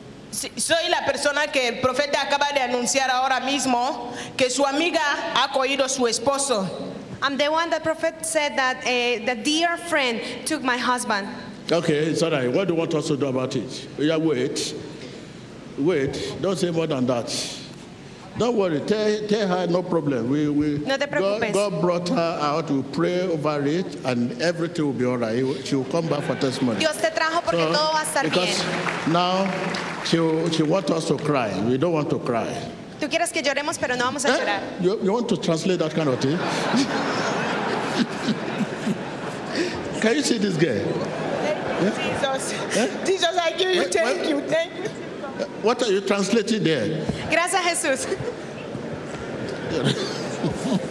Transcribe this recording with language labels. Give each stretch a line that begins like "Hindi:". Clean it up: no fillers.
Spanish: Soy la persona que el profeta acaba de anunciar ahora mismo que su amiga ha cogido su esposo.
English: I'm the one that prophet said that the dear friend took my husband. Okay, it's all right. What do you want us to do about it? Yeah, wait. Wait. Don't say more than that. Don't worry. Tell her no problem. We
Spanish: no te preocupes.
English: God brought her out. We pray over it and everything will be all right. She will come back for testimony.
Spanish: Dios te trajo porque todo va a estar bien.
English: Because now She wants us to cry. We don't want to cry.
Spanish: Tú quieres que lloremos, pero no vamos a llorar.
English: You want to translate that kind of thing? Can you see this girl? Jesus. Jesus, I give you thank you. Thank you. What are you translating there?
Spanish: Gracias, Jesus.